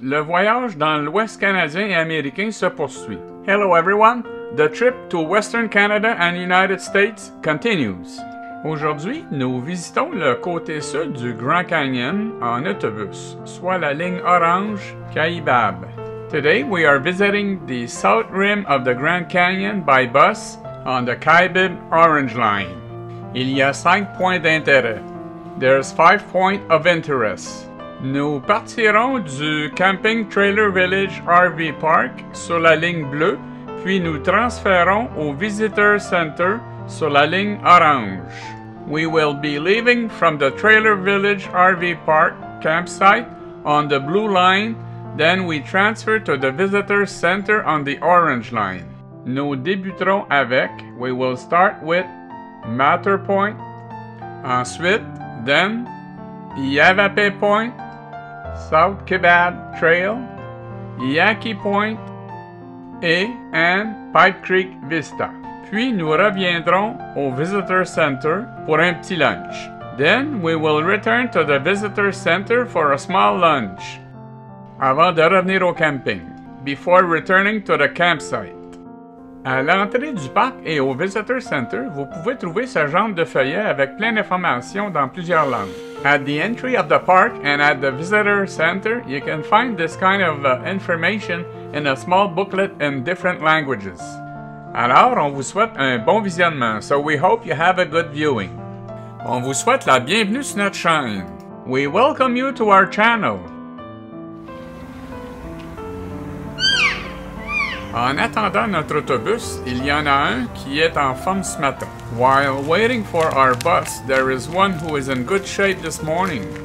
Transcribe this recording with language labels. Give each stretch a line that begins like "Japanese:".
French: Le voyage dans l'Ouest canadien et américain se poursuit.
English: Hello everyone. The trip to Western Canada and United States continues.
French: Aujourd'hui, nous visitons le côté sud du Grand Canyon en autobus, soit la ligne orange Kaibab.
English: Today we are visiting the south rim of the Grand Canyon by bus on the Kaibab Orange Line.
French: Il y a 5 points d'intérêt.
English: There's 5 points of interest.
French: Nous partirons du Camping Trailer Village RV Park sur la ligne bleue, puis nous transférons au Visitor Center sur la ligne orange.
English: We will be leaving from the Trailer Village RV Park campsite on the blue line, then we transfer to the Visitor Center on the orange line.
French: Nous débuterons avec,
English: we will start with
French: Matter Point, ensuite,
English: then
French: Yavapé Point, South Kaibab Trail, Yaki Point et Pipe Creek Vista. Puis nous reviendrons au Visitor Center pour un petit lunch.
English: Then we will return to the Visitor Center for a small lunch.
French: Avant de revenir au camping.
English: Before returning to the campsite.
French: À l'entrée du parc et au Visitor Center, vous pouvez trouver ce genre de feuillet avec plein d'informations dans plusieurs langues.
English: At the entry of the park and at the visitor center, you can find this kind of information in a small booklet in different languages.
French: Alors, on vous souhaite un bon visionnement,
English: so we hope you have a good viewing.
French: On vous souhaite la bienvenue sur notre chaîne.
English: We welcome you to our channel.
French: En attendant notre autobus, il y en a un qui est en forme ce matin.
English: While waiting for our bus, there is one who is in good shape this morning.